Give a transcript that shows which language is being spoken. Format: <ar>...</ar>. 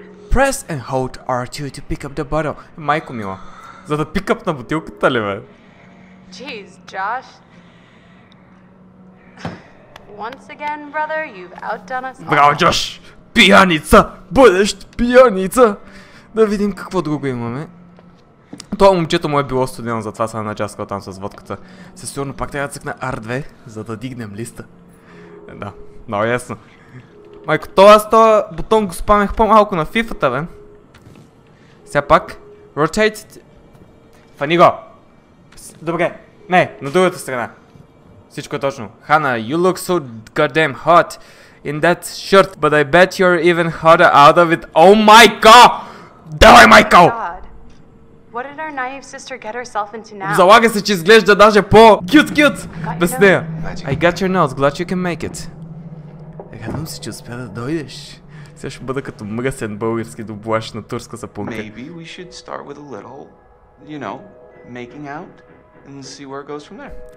<en>Press and hold R2 to pick up the bottle.</en> <bg>Майко мило. За да пик ап на бутилката ли, бе?</bg> <en>Jeez, Josh. Once again, brother, you've outdone us.</en> <bg>Браво, Джош! Пияница! Бъдещ пияница! Да видим какво друго имаме. Това момчето му е било студено, затова съм начаскал там с водката. Със сигурно пак трябва да цъкна R2, за да дигнем листа. Да, много ясно. Майко, този бутон го спамех по-малко на фифата, бе. Сега пак, rotate... Фани го! Добре, не, на другата страна. Всичко е точно.</bg> <en>Hannah, you look so goddamn hot in that shirt, but I bet you're even hotter out of it. Oh my god!</en> <bg>Давай, Майко!</bg> <en>What did our naive sister get herself into now?</en> <bg>Залага се, че изглежда даже по... Кют! Без нея!</bg> <en>I got your nose, glad you can make it.</en> <bg>Радвам се, че успя да дойдеш. Сега ще бъда като мръсен български доблащ на турска сапунка.</bg> <en>Maybe we should start with a little... you know, making out and see where it goes from there.</en>